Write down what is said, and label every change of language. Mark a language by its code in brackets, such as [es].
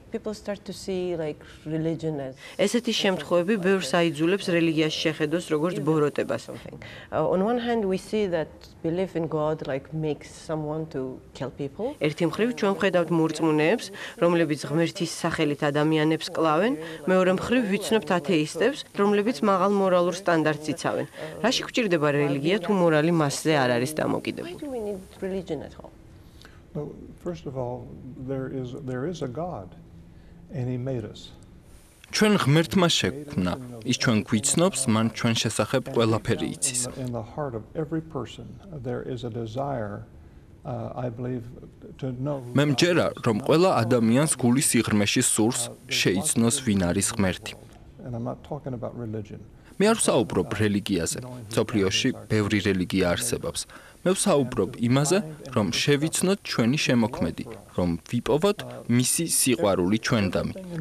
[ka] ესეთი შემთხვევები ბევრს აიძულებს რელიგიას შეხედოს როგორც ბოროტებას. [en] On one hand we see that belief in God like makes someone to kill people. [ka] ერთი მხრივ ჩვენ ხედავთ მორწმუნეებს, რომლებიც ღმერთის სახელით ადამიანებს კლავენ, მეორე მხრივ ვიცნობთ ათეისტებს, რომლებიც მაღალ მორალურ სტანდარტს იცავენ. რაში გვჭირდება რელიგია, თუ მორალი მასზე არ არის დამოკიდებული? [en] Why do we need religion at all? No, first of all there is a God and he made us. [ka] ჩვენ ღმერთმა შექმნა. ის ჩვენ გვიცნობს, მან ჩვენ შესახებ ყველაფერი იცის. [en] In the heart of every person there is a desire I believe to know. [ka] მე მჯერა, რომ ყველა ადამიანს გულის სიღრმეში სურს შეიცნოს, ვინ არის ღმერთი. [en] And I'm not talking about religion. [ka] მე არ ვსაუბრობ რელიგიაზე. მსოფლიოში ბევრი რელიგია არსებობს. მე ვსაუბრობ იმაზე, რომ შევიცნოთ ჩვენი შემოქმედი, რომ ვიპოვოთ მისი სიყვარული ჩვენდამი.